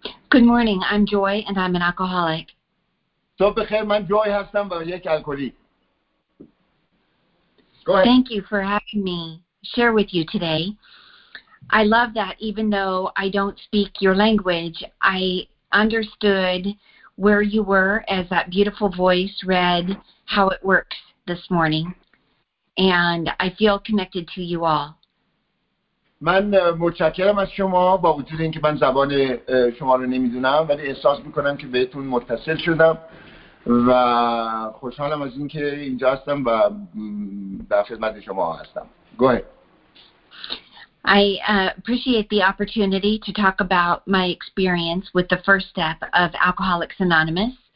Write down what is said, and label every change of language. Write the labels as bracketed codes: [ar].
[en] Good morning, I'm Joy and I'm an alcoholic. [fa] صبح بخیر، من جوی هستم و یک الکلی. [en] Thank you for having me share with you today. I love that even though I don't speak your language, I understood where you were as that beautiful voice read how it works this morning. And I feel connected to you all. [fa] من متشکرم از شما با وجود اینکه من زبان شما رو نمیدونم ولی احساس میکنم که بهتون متصل شدم و خوشحالم از اینکه اینجا هستم و در خدمت شما هستم. [en] Go ahead. I appreciate the opportunity to talk about my experience with the first step of Alcoholics Anonymous.